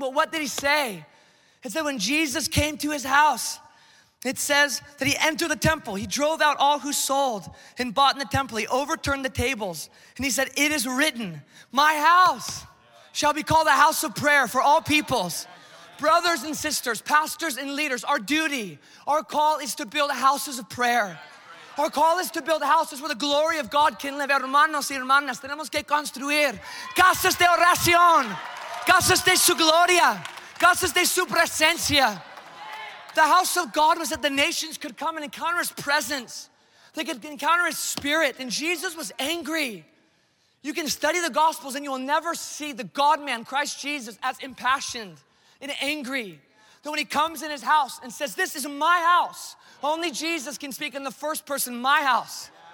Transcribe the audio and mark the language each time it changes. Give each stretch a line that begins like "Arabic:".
English: But what did he say? He said, when Jesus came to his house, it says that he entered the temple. He drove out all who sold and bought in the temple. He overturned the tables. And he said, it is written, my house shall be called a house of prayer for all peoples. Brothers and sisters, pastors and leaders, our duty, our call is to build houses of prayer. Our call is to build houses where the glory of God can live.
Spanish: Hermanos y hermanas, tenemos que construir casas de oración, casas de su gloria, casas de su presencia.
English: The house of God was that the nations could come and encounter his presence. They could encounter his spirit. And Jesus was angry. You can study the Gospels and you will never see the God-man, Christ Jesus, as impassioned and angry. So when he comes in his house and says, this is my house. Only Jesus can speak in the first person, my house.